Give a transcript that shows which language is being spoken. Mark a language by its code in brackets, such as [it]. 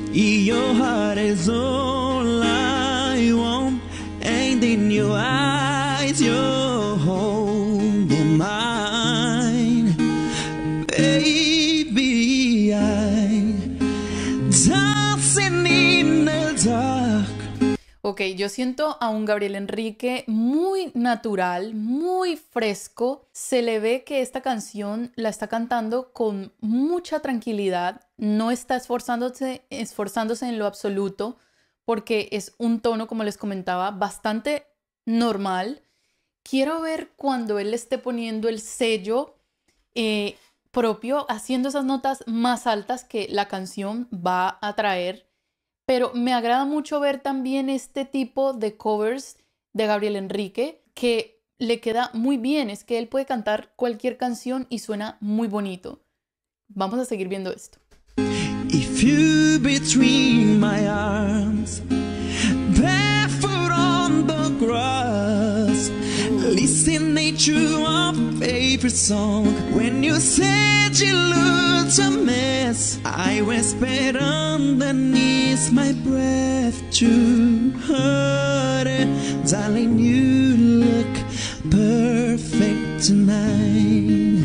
[en] Your heart is all I want, and in your eyes, your home and mine. Baby, I'm dancing in the dark. [es] Okay, yo siento a un Gabriel Enrique muy natural, muy fresco. Se le ve que esta canción la está cantando con mucha tranquilidad. No está esforzándose en lo absoluto, porque es un tono, como les comentaba, bastante normal. Quiero ver cuando él esté poniendo el sello propio, haciendo esas notas más altas que la canción va a traer. Pero me agrada mucho ver también este tipo de covers de Gabriel Enrique, que le queda muy bien. Es que él puede cantar cualquier canción y suena muy bonito. Vamos a seguir viendo esto. [en] If you between my arms, barefoot on the grass, listening to our favorite song. When you said you looked a mess, I whispered underneath my breath to her, darling, you look perfect tonight.